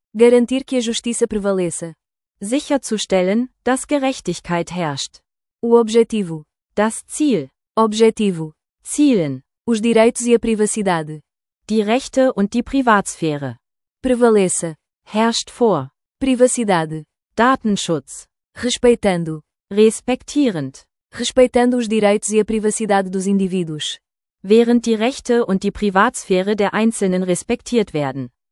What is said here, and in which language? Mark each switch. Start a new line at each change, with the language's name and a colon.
Portuguese: Garantir que a justiça prevaleça.
German: Sicherzustellen, dass Gerechtigkeit herrscht.
Portuguese: O objetivo.
German: Das Ziel.
Portuguese: Objetivo.
German: Zielen.
Portuguese: Os direitos e a privacidade.
German: Die Rechte und die Privatsphäre.
Portuguese: Prevaleça.
German: Herrscht vor.
Portuguese: Privacidade.
German: Datenschutz.
Portuguese: Respeitando.
German: Respektierend.
Portuguese: Respeitando os direitos e a privacidade dos indivíduos.
German: Während die Rechte und die Privatsphäre der Einzelnen respektiert werden.